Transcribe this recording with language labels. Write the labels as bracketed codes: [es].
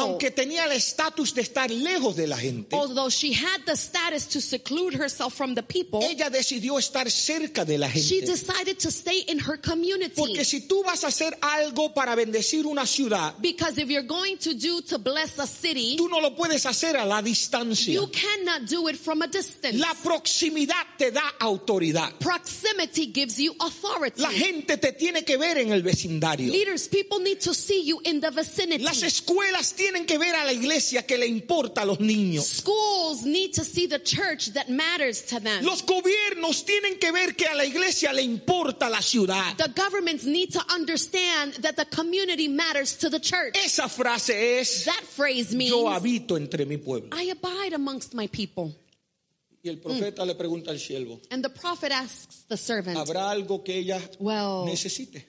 [es] Aunque tenía el estatus de estar lejos de la gente. [en] Although she had the status to seclude herself from the people. [es] Ella decidió estar cerca de la gente. [en] She decided to stay in her community. [es] Porque si tú vas a hacer algo para bendecir una ciudad, [en] because if you're going to do to bless a city, [es] tú no lo puedes hacer a la distancia. [en] You cannot do it from a distance. [es] La proximidad te da autoridad. [en] Proximity gives you authority. [es] La gente te tiene que ver en el vecindario. [en] Leaders, people need to see you in the vicinity. [es] Las escuelas tienen que ver a la iglesia que le importa a los niños. [en] Schools need to see the church that matters to them. [es] Los gobiernos tienen que ver que a la iglesia le importa la ciudad. [en] The governments need to understand that the community matters to the church. [es] Esa frase es, [en] that phrase means, [es] yo habito entre mi pueblo. [en] I abide amongst my people. [es] Y el profeta le pregunta al siervo. [en] And the prophet asks the servant, [es] ¿habrá algo que ella necesite?